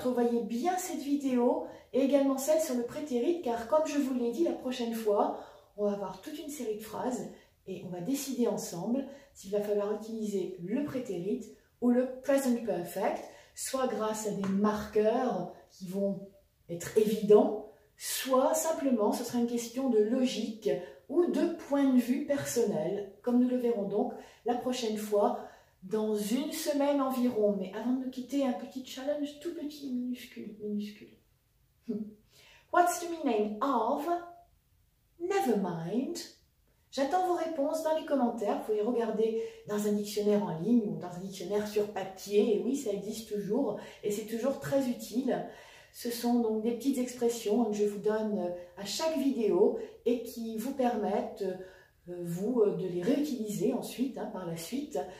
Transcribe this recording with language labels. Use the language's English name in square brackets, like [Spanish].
[French] Revoyez bien cette vidéo et également celle sur le prétérit, car comme je vous l'ai dit, la prochaine fois, on va avoir toute une série de phrases et on va décider ensemble s'il va falloir utiliser le prétérit ou le present perfect, soit grâce à des marqueurs qui vont être évidents, soit simplement ce sera une question de logique ou de point de vue personnel, comme nous le verrons donc la prochaine fois, dans une semaine environ. Mais avant de nous quitter, un petit challenge, tout petit, minuscule. [English] What's the meaning of never mind? [French] J'attends vos réponses dans les commentaires. Vous pouvez regarder dans un dictionnaire en ligne ou dans un dictionnaire sur papier. Et oui, ça existe toujours et c'est toujours très utile. Ce sont donc des petites expressions que je vous donne à chaque vidéo et qui vous permettent, vous, de les réutiliser ensuite, hein, par la suite.